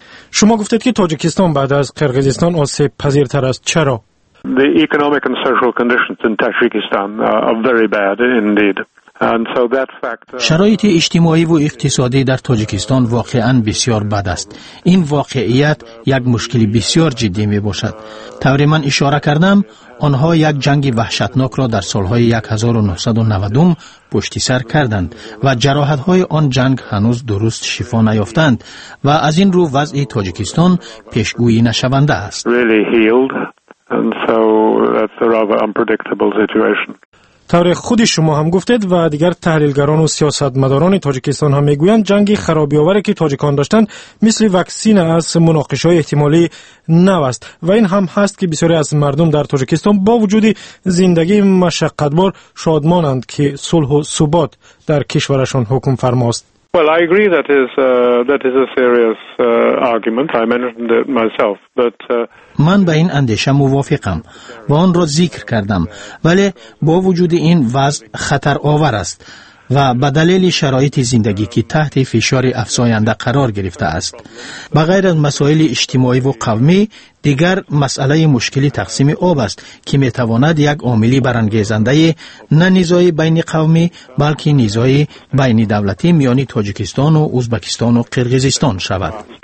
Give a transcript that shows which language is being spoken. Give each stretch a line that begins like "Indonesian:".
Persian: شما گفتید که تاجیکستان بعد از قرقیزستان آسیب پذیرتر است. چرا؟
English: The economic and social conditions in Tajikistan are very bad indeed. And so that fact,
Persian: شرایط اجتماعی و اقتصادی در تاجیکستان واقعا بسیار بد است. این واقعیت یک مشکل بسیار جدی می باشد. طوری من اشاره کردم، آنها یک جنگ وحشتناک را در سالهای 1990 پشت سر کردند و جراحت های آن جنگ هنوز درست شفا نیافتند و از این رو وضع تاجیکستان پیشگویی نشونده است.
English: Really healed. And so that's a rather unpredictable situation.
Persian: طور خود شما هم گفتید و دیگر تحلیلگران و سیاستمداران تاجیکستان هم میگویند جنگ خرابی آوری که تاجیکان داشتند مثل واکسین از مناقشه های احتمالی نو است، و این هم هست که بسیاری از مردم در تاجیکستان با وجود زندگی مشقتبار شادمانند که صلح و ثبات در کشورشان حکم فرماست.
English: Well, I agree that is a serious argument. I mentioned it myself, but
Persian: من به این اندیشه موافقم و آن را ذکر کردم، ولی با وجود این وضع خطر آور است و به دلیل شرایط زندگی که تحت فشار افزاینده قرار گرفته است. به غیر از مسائل اجتماعی و قومی، دیگر مسئله مشکلی تقسیم آب است که می تواند یک عاملی برانگیزنده نه نزای بین قومی بلکه نزای بین دولتی میان تاجیکستان و ازبکستان و قرقیزستان شود.